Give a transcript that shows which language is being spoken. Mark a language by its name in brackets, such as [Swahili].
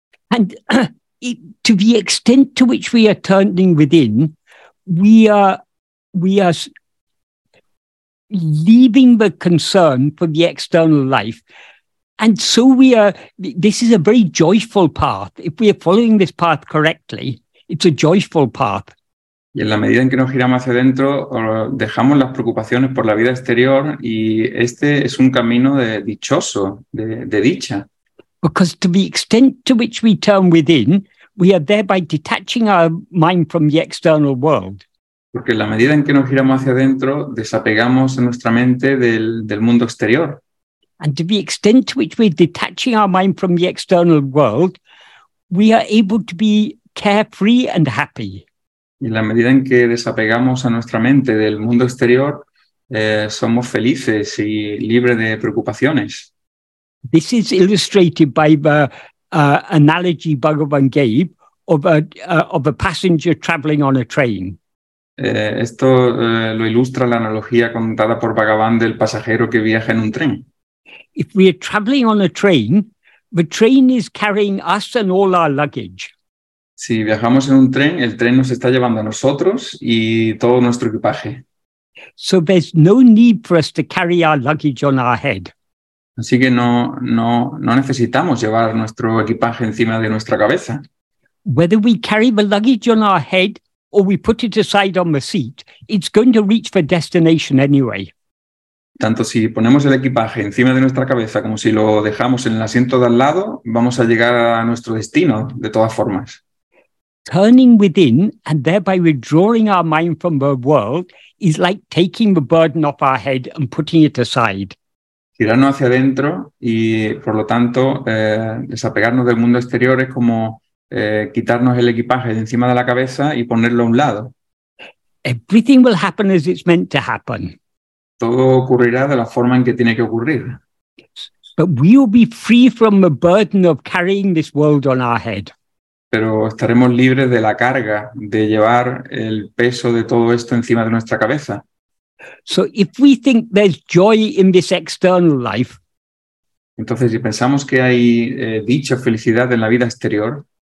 [English] And to the extent to which we are turning within, we are leaving the concern for the external life. And so we are, this is a very joyful path. If we are following this path correctly, it's a joyful path. [Spanish] Y en la medida en que nos giramos hacia adentro, dejamos las preocupaciones por la vida exterior y este es un camino de dichoso, de dicha. [English] Because to the extent to which we turn within, we are thereby detaching our mind from the external world. [Spanish] Porque en la medida en que nos giramos hacia adentro, desapegamos nuestra mente del mundo exterior. [English] And to the extent to which we're detaching our mind from the external world, we are able to be carefree and happy. [Spanish] Y en la medida en que desapegamos a nuestra mente del mundo exterior, somos felices y libres de preocupaciones. [English] This is illustrated by the analogy Bhagavan gave of a passenger traveling on a train. [Spanish] Esto lo ilustra la analogía contada por Bhagavan del pasajero que viaja en un tren. [English] If we are traveling on a train, the train is carrying us and all our luggage. [Spanish] Si viajamos en un tren, el tren nos está llevando a nosotros y todo nuestro equipaje. [English] So there's no need for us to carry our luggage on our head. [Spanish] Así que no necesitamos llevar nuestro equipaje encima de nuestra cabeza. [English] Whether we carry the luggage on our head or we put it aside on the seat, it's going to reach the destination anyway. [Spanish] Tanto si ponemos el equipaje encima de nuestra cabeza como si lo dejamos en el asiento de al lado, vamos a llegar a nuestro destino de todas formas. [English] Turning within and thereby withdrawing our mind from the world is like taking the burden off our head and putting it aside. [Spanish] Girarnos hacia adentro y, por lo tanto, desapegarnos del mundo exterior es como quitarnos el equipaje de encima de la cabeza y ponerlo a un lado. [English] Everything will happen as it's meant to happen. [Spanish] Todo ocurrirá de la forma en que tiene que ocurrir. [English] But we will be free from the burden of carrying this world on our head. [Spanish] Pero estaremos libres de la carga de llevar el peso de todo esto encima de nuestra cabeza. [English] So if we think there's joy in this external life, [Spanish] entonces si pensamos que hay dicha felicidad en la vida exterior,